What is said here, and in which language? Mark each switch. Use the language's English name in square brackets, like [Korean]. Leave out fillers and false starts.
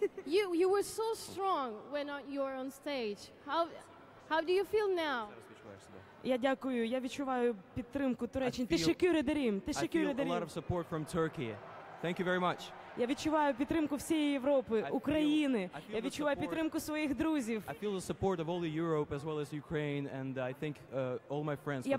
[English] you were so strong when you were on stage. How do you feel now? [Ukrainian] Я дякую. Я відчуваю підтримку Туреччини. [Turkish] Тишекюре дарим. Тишекюре дарим. [English] I feel a lot of support from Turkey. Thank you very much. [Ukrainian] Я відчуваю підтримку всієї Європи, України. Я відчуваю підтримку своїх друзів. [English] I feel the support of all the Europe as well as Ukraine, and I thank all my friends for that.